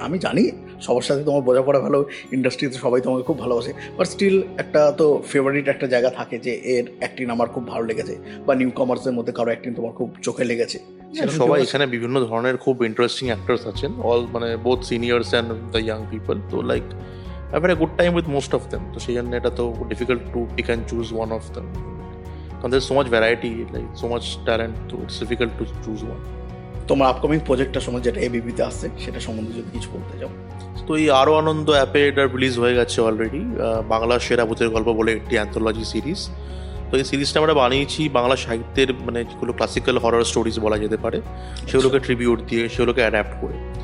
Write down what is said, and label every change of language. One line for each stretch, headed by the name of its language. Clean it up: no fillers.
Bangla: আমি জানি সবার সাথে তোমার বোঝাপড়া ভালো, ইন্ডাস্ট্রিতে সবাই তোমাকে খুব ভালোবাসে, বাট স্টিল একটা তো ফেভারিট একটা জায়গা থাকে যে এর অ্যাক্টিং আমার খুব ভালো লেগেছে, বা নিউ কমার্সের মধ্যে কারো অ্যাক্টিং তোমার খুব চোখে লেগেছে। সবাই এখানে বিভিন্ন ধরনের খুব ইন্টারেস্টিং অ্যাক্টার্স আছেন, অল মানে
English: both seniors and the young people,
Bangla: তো like
English: I've had a good time with most of them. So, it's difficult to pick and choose one of them. And there's so much variety, like so much talent, so it's difficult to choose one.
Bangla: তোমার upcoming প্রজেক্টটা সম্বন্ধে যেটা এবিবিতে আসছে সেটা সম্বন্ধে যদি কিছু বলতে যাও। তো এই আরো আনন্দ অ্যাপে এটা রিলিজ হয়ে গেছে অলরেডি, বাংলা সেরা ভূতের গল্প বলে একটি অ্যান্থোলজি সিরিজ। তো এই সিরিজটা আমরা বানিয়েছি বাংলা সাহিত্যের মানে যেগুলো ক্লাসিক্যাল হরর স্টোরিজ বলা যেতে পারে সেগুলোকে ট্রিবিউট দিয়ে, সেগুলোকে অ্যাডাপ্ট করে।